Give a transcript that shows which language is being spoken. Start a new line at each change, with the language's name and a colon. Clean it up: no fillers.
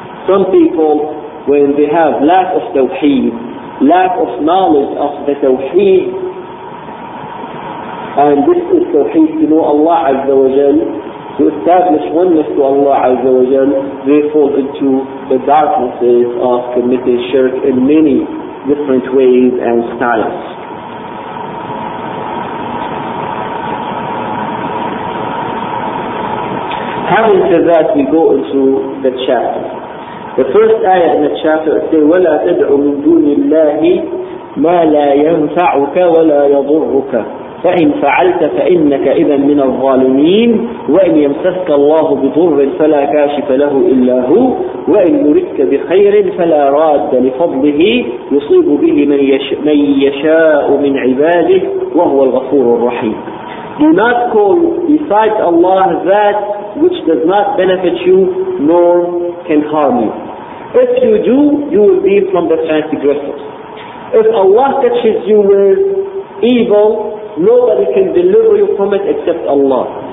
English: Some people, when they have lack of tawheed, lack of knowledge of the tawheed, and this is tawheed to know Allah Azza wa Jal, to establish oneness to Allah Azza wa Jal, they fall into the darknesses of committing shirk in many different ways and styles. Having said that, we go into the chapter. The first ayah in the chapter says,
Arabic: وَلَا تَدْعُ مِن دُونِ اللَّهِ مَا لَا يَنْفَعُكَ وَلَا يَضُرُّكَ فَإِنْ فَعَلْتَ فَإِنَّكَ إِذًا مِنَ الظَّالِمِينَ وَإِنْ يَمْسَسْكَ اللَّهُ بِضُرٍّ فَلَا كَاشِفَ لَهُ إِلَّا هُوَ وَإِنْ مُرِدْكَ بِخَيْرٍ فَلَا رَادَّ لِفَضْلِهِ يُصِيبُ بِهِ مَنْ يَشَاءُ مِنْ عِبَادِهِ وَهُوَ الْغَفُورُ الرَّحِيمُ.
English: Do not call besides Allah that which does not benefit you nor can harm you. If you do, you will be from the transgressors. If Allah catches you with evil, nobody can deliver you from it except Allah.